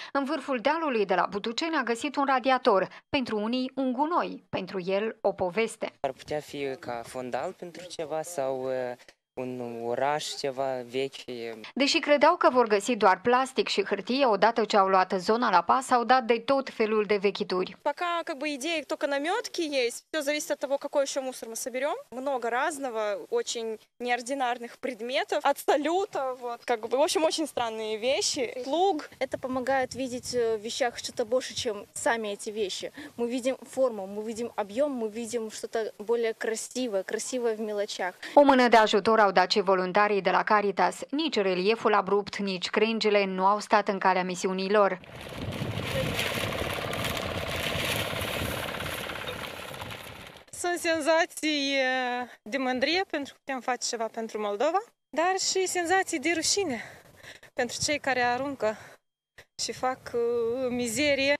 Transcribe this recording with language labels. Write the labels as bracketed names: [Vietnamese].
[Romanian] În vârful dealului de la Butuceni a găsit un radiator, pentru unii un gunoi, pentru el o poveste. Ar putea fi ca fondal pentru ceva sau un oraș ceva vechi. Deși credeau că vor găsi doar plastic și hârtie, odată ce au luat zona la pas, au dat de tot felul de vechituri. [Russian] Пока как бы идея только намётки есть. Всё зависит от того, какой ещё мусор мы соберём. Много разного, очень неординарных предметов, от салюта, вот, как бы, в общем, очень странные вещи. Плуг это помогает видеть в вещах что-то больше, чем сами эти вещи. Мы видим форму, мы видим объём, мы видим что-то более красивое, красивое в мелочах. [Romanian] О мене да ж au dat și voluntarii de la Caritas. Nici relieful abrupt, nici crengile nu au stat în calea misiunii lor. Sunt senzații de mândrie pentru că putem face ceva pentru Moldova, dar și senzații de rușine pentru cei care aruncă și fac mizerie.